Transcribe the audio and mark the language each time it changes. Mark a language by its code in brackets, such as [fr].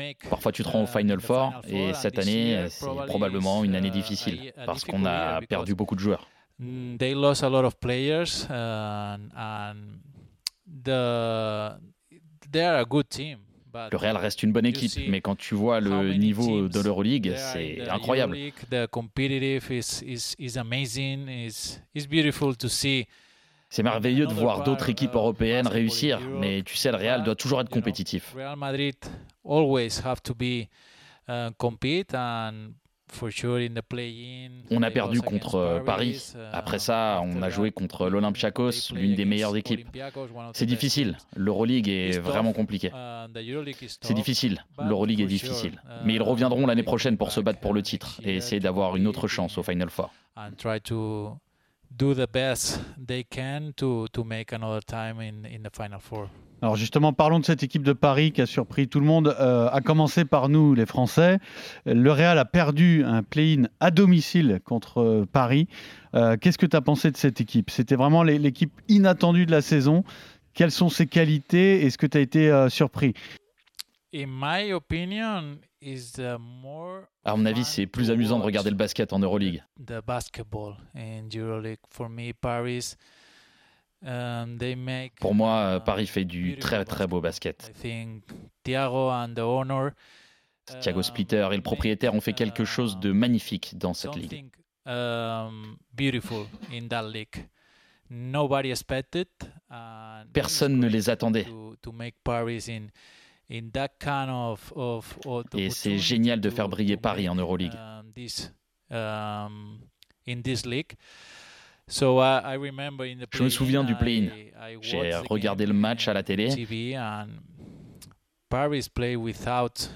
[fr] Parfois, tu te rends au Final Four, et cette année, c'est probablement une année difficile parce qu'on a perdu beaucoup de joueurs. [en] They lost a lot of players, they are a good team. [fr] Le Real reste une bonne équipe, mais quand tu vois le niveau de l'Euroleague, c'est incroyable. [en] The competitive is amazing. It's beautiful to see. [fr] C'est merveilleux de voir d'autres équipes européennes réussir, mais tu sais, le Real doit toujours être compétitif. [en] Real Madrid always have to be compete and for sure in the play-in. [fr] On a perdu contre Paris. Après ça, on a joué contre l'Olympiakos, l'une des meilleures équipes. C'est difficile. L'Euroleague est vraiment compliqué. C'est difficile. L'Euroleague est difficile. Mais ils reviendront l'année prochaine pour se battre pour le titre et essayer d'avoir une autre chance au Final Four. [en] And try to do the best they can to make another time in the Final Four. [fr] Alors justement, parlons de cette équipe de Paris qui a surpris tout le monde, à commencer par nous, les Français. Le Real a perdu un play-in à domicile contre Paris. Qu'est-ce que tu as pensé de cette équipe? C'était vraiment l'équipe inattendue de la saison. Quelles sont ses qualités? Est-ce que tu as été surpris? [en] In my opinion, is the more... [fr] À mon avis, c'est plus amusant de regarder le basket en Euroleague. [en] The basketball in Euroleague. For me, Paris... they make, [fr] pour moi, Paris fait du très très beau basket. [en] I think Thiago and the owner, [fr] Thiago Splitter et le propriétaire ont fait quelque chose de magnifique dans cette ligue. [en] Beautiful in that league. Nobody expected. [fr] Personne ne les attendait. [en] To make Paris in that kind of [fr] et c'est génial de faire briller Paris en Euroleague. [en] In this league. So I remember in the [fr] play-in, je me souviens du play-in. J'ai regardé le match à la télé. [en] TV and Paris play without,